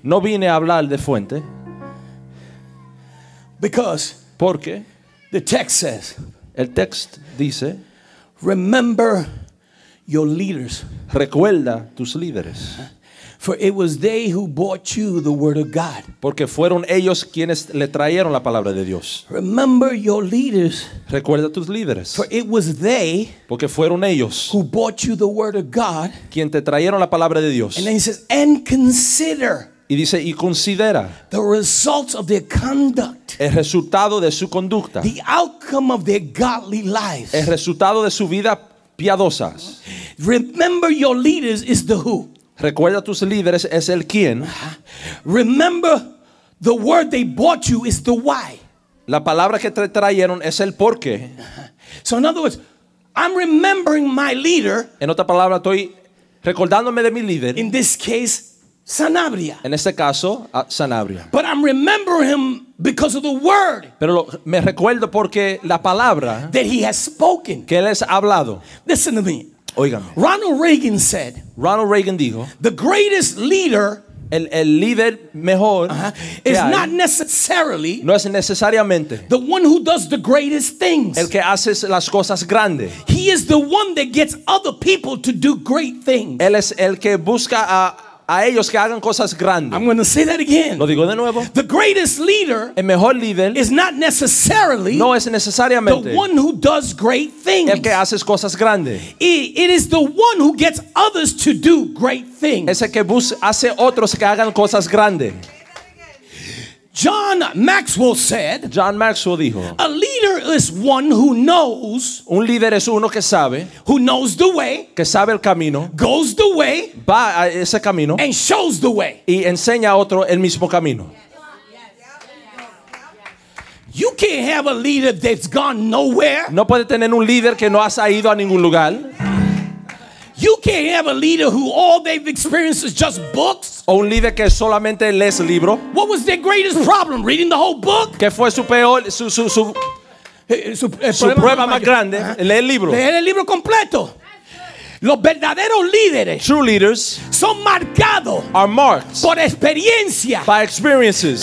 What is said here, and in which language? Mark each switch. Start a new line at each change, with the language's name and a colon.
Spanish: No vine a hablar de fuente.
English: Because.
Spanish: Porque.
English: The text says.
Spanish: El text dice.
English: Remember your leaders.
Spanish: Recuerda tus líderes.
English: For it was they who brought you the word of God.
Spanish: Porque fueron ellos quienes le trajeron la palabra de Dios.
English: Remember your leaders.
Spanish: Recuerda tus líderes.
English: For it was they.
Spanish: Porque fueron ellos.
English: Who brought you the word of God.
Spanish: Quien te trajeron la palabra de Dios.
English: And then he says, and consider.
Spanish: Y dice, y considera.
English: The results of their conduct.
Spanish: El resultado de su conducta.
English: The outcome of their godly lives.
Spanish: El resultado de su vida piadosas.
English: Remember your leaders is the who.
Spanish: Recuerda tus líderes es el quién.
English: Remember the word they brought you is the why.
Spanish: La palabra que te trajeron es el por qué.
English: So in other words, I'm remembering my leader.
Spanish: En otra palabra, estoy recordándome de mi líder.
English: In this case, Sanabria.
Spanish: En este caso, Sanabria.
English: But I'm remembering him because of the word.
Spanish: Pero me recuerdo porque la palabra
English: that he has spoken.
Spanish: Que él es hablado.
English: Listen to me.
Spanish: Óigame.
English: Ronald Reagan
Spanish: dijo,
English: the greatest leader,
Spanish: el líder mejor,
English: is not necessarily,
Spanish: no es necesariamente,
English: the one who does the greatest things.
Spanish: El que hace las cosas grandes.
English: He is the one that gets other people to do great things.
Spanish: Él es el que busca a ellos que hagan cosas grandes.
English: I'm going to say that again.
Spanish: Lo digo de nuevo.
English: The greatest leader,
Spanish: el mejor líder,
English: is not necessarily,
Spanish: no es necesariamente,
English: the one who does great things.
Spanish: El que hace cosas grandes.
English: It is the one who gets others to do great things.
Spanish: Es el que hace otros que hagan cosas grandes.
English: John Maxwell said,
Spanish: John Maxwell dijo,
English: a leader is one who knows,
Spanish: un líder es uno que sabe,
English: who knows the way,
Spanish: que sabe el camino,
English: goes the way,
Spanish: va a ese camino,
English: and shows the way,
Spanish: y enseña a otro el mismo camino.
English: You can't have a leader that's gone nowhere.
Spanish: No puede tener un líder que no ha salido a ningún lugar.
English: You can't have a leader who all they've experienced is just books.
Spanish: O un líder que solamente lee libro.
English: What was their greatest problem? Reading the whole book?
Spanish: ¿Qué fue su peor, su prueba más grande? Leer el libro. Leer el libro completo. Los verdaderos líderes,
English: true leaders,
Spanish: son marcados,
English: are marked,
Spanish: por experiencia,
English: by experiences,